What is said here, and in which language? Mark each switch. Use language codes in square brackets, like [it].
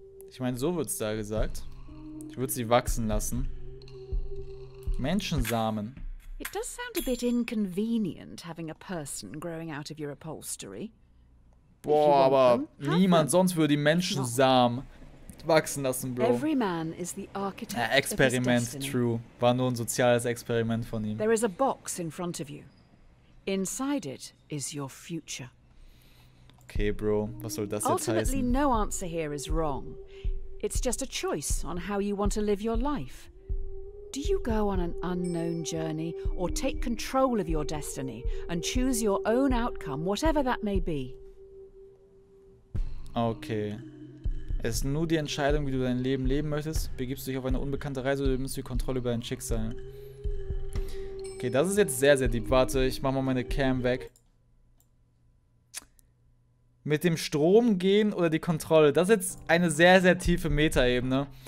[de] Ich meine, so wird es da gesagt. Ich würde sie wachsen lassen. Menschensamen. [en] It does sound a bit inconvenient having a person growing out of your upholstery. [de] Boah, aber niemand sonst würde die Menschensamen wachsen lassen, Bro. [en] Every man is the architect. [de] Experiment, true. War nur ein soziales Experiment von ihm. [en] There is a box in front of you. Inside it is your future. [de] Okay, Bro, was soll das jetzt [en] Ultimately, [de] heißen? [en] No answer here is wrong. It's just a choice on how you want to live your life. Do you go on an unknown journey or take control of your destiny and choose your own outcome, whatever that may be? Okay. [de] Es ist nur die Entscheidung, wie du dein Leben leben möchtest. Begibst du dich auf eine unbekannte Reise oder nimmst du die Kontrolle über dein Schicksal? Okay, das ist jetzt sehr, sehr deep. Warte, ich mach mal meine Cam weg. Mit dem Strom gehen oder die Kontrolle? Das ist jetzt eine sehr, sehr tiefe Metaebene.